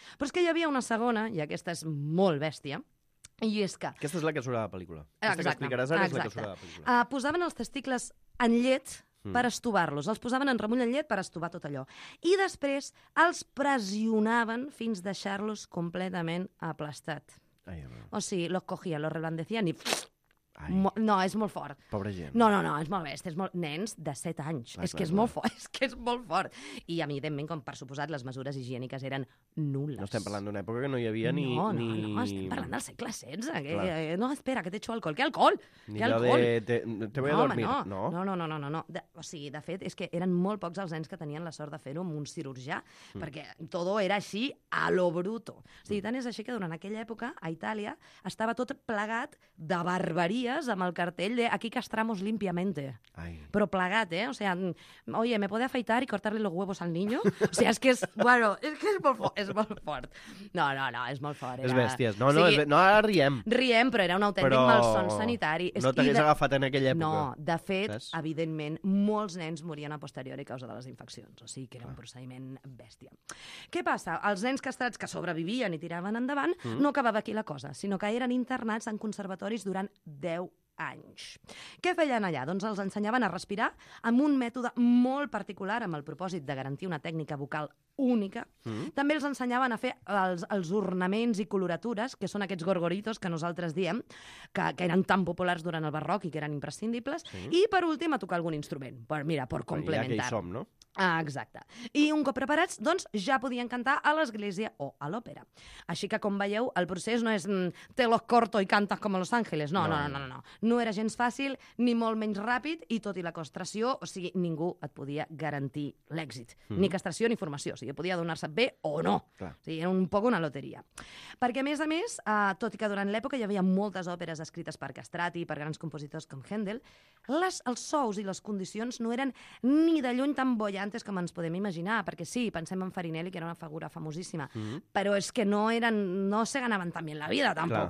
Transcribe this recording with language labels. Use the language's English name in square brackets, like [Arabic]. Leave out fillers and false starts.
[Catalan] Però és que hi havia una segona, i aquesta és molt bèstia, i és que... Aquesta és la que surt a la pel·lícula. Aquesta que explicaràs ara és la que surt a la pel·lícula. Posaven els testicles en llet... per estovar-los. Els posaven en remull en llet per estovar tot allò. I després els pressionaven fins deixar-los completament aplastat. Ai, o sigui, [Spanish] los cogían, los reblandecían i... [Catalan] No, és molt fort. Pobre gent. No, és molt bèstia. Nens de 7 anys. És que és molt fort. I evidentment, com per suposat, les mesures higièniques eren nul·les. No estem parlant d'una època que no hi havia ni... No, estem parlant del segle XVI. [Spanish] No, espera, que t'echo alcohol. [Catalan] Què alcohol? Ni allò de... [Spanish] Te voy a dormir. [Catalan] No. O sigui, de fet, és que eren molt pocs els nens que tenien la sort de fer-ho amb un cirurgià, perquè todo era així [Spanish] a lo bruto. [Catalan] O sigui, tant és així que durant aquella època, a Itàlia, estava tot plegat de barbaria amb el cartell de [Spanish] aquí castramos limpiamente. [Catalan] Ai. Però plegat, eh? [Spanish] O sea, oye, ¿me puede afeitar y cortarle los huevos al niño? O sea, es que es, bueno, es que es [Catalan] molt fort. No, es molt fort. És bèsties. No, ara riem. Riem, però era un autèntic malson sanitari. No t'hagués agafat en aquella època. No, de fet, saps? Evidentment, molts nens morien a posteriori a causa de les infeccions. O sigui, que era un procediment bèstia. Què passa? Els nens castrats que sobrevivien i tiraven endavant, no acabava aquí la cosa, sinó que eren internats en conservatoris durant 10 anys. Què feien allà? Doncs els ensenyaven a respirar amb un mètode molt particular amb el propòsit de garantir una tècnica vocal única. També els ensenyaven a fer els ornaments i coloratures, que són aquests gorgoritos que nosaltres diem, que eren tan populars durant el barroc i que eren imprescindibles. Sí. I per últim, a tocar algun instrument. Mira, per complementar. Ja que hi som, no? Ah, exacte. I un cop preparats, doncs, ja podien cantar a l'església o a l'òpera. Així que, com veieu, el procés no és [Spanish] te los corto y cantas como los ángeles. [Catalan] No. No era gens fàcil, ni molt menys ràpid, i tot i la castració, o sigui, ningú et podia garantir l'èxit. Ni castració ni formació. O sigui, podia donar-se bé o no. Clar. O sigui, era un poc una loteria. Perquè, a més, tot i que durant l'època hi havia moltes òperes escrites per Castrati i per grans compositors com Händel, els sous i les condicions no eren ni de lluny tan bo antes com ens podem imaginar, perquè sí, pensem en Farinelli, que era una figura famosíssima, però és que no se ganaven tan bé la vida, tampoc.